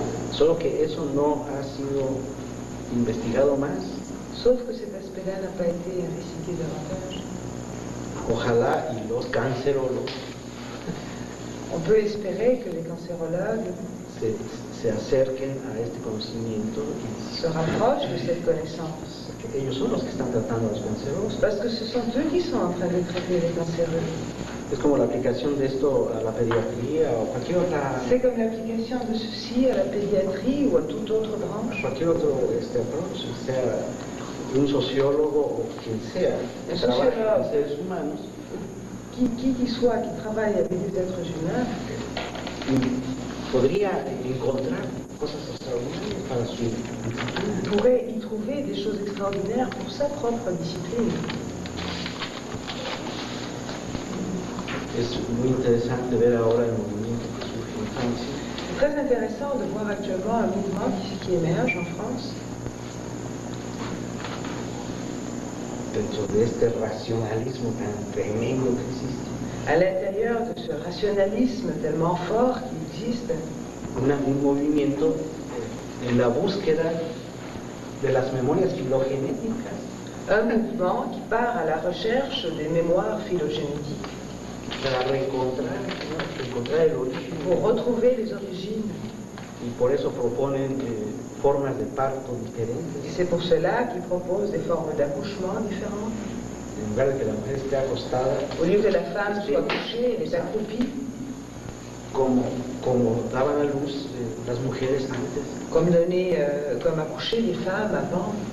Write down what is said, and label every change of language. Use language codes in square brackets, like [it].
[es] Solo que eso no ha sido investigado más. [fr] Sauf que cet aspect-là n'a pas été investigué davantage. [es] Ojalá y los cancerólogos. [fr] On peut espérer que les cancérologues [es] se acerquen a este conocimiento y [fr] se rapprochent de cette connaissance. [es] Que ellos son los que están tratando los cancerosos. [fr] Parce que ce sont eux qui sont en train de traiter les cancéreux. [es] Es como la aplicación de esto a la pediatría o cualquier otra. [fr] C'est comme l'application de ceci à la pédiatrie ou à toute autre branche. [es] Cualquier otro este approach, sea un sociólogo o quien sea, sociólogo, seres humanos. [fr] Qui travaille avec des êtres humains, [es] podría encontrar cosas extraordinarias para su disciplina. [fr] Pourrait y trouver des choses extraordinaires pour sa propre discipline. [es] Es muy interesante ver ahora el movimiento que surge en Francia. [fr] C'est très intéressant de voir actuellement un mouvement qui émerge en France. [es] Dentro de este racionalismo tan tremendo que existe. [fr] À l'intérieur de ce racionalisme tellement fort qui existe. [es] Un movimiento en la búsqueda de las memorias filogenéticas. [fr] Un mouvement qui part à la recherche des mémoires phylogénétiques. [es] Para reencontrar el origen. [fr] Pour retrouver les origines. [es] Y por eso proponen formas de parto diferentes. [fr] Y c'est pour cela qu'ils proposent des formes d'accouchement différentes. [es] En lugar de que la mujer esté acostada. [fr] Au lieu que la femme soit couchée, elle est accroupie. [es] Como daban a luz las mujeres antes. [fr] Comme accouchaient les femmes avant.